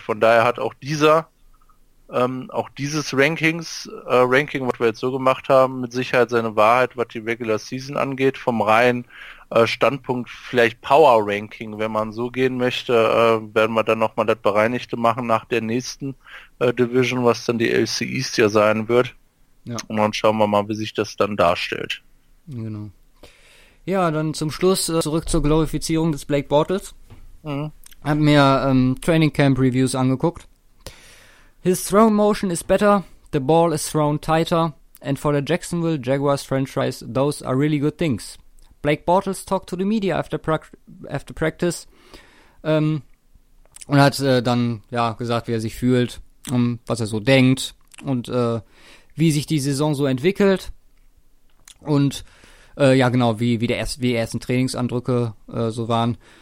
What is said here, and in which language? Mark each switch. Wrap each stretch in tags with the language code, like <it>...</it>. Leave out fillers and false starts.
<de>Von daher hat auch dieser auch dieses Ranking, was wir jetzt so gemacht haben, mit Sicherheit seine Wahrheit, was die Regular Season angeht, vom reinen Standpunkt vielleicht Power Ranking, wenn man so gehen möchte, werden wir dann nochmal das Bereinigte machen nach der nächsten Division, was dann die AFC East ja sein wird. Ja. Und dann schauen wir mal, wie sich das dann darstellt. Genau. Ja, dann zum Schluss zurück zur Glorifizierung des Blake Bortles. Hab mir Training Camp Reviews angeguckt.</de> <en>His throw motion is better, the ball is thrown tighter, and for the Jacksonville Jaguars franchise, those are really good things.</en> <de>Blake Bortles</de> <en>talked to the media after practice</en> <de>und hat dann ja gesagt, wie er sich fühlt, was er so denkt und wie sich die Saison so entwickelt und ja genau, wie die ersten Trainingsandrücke so waren.</de>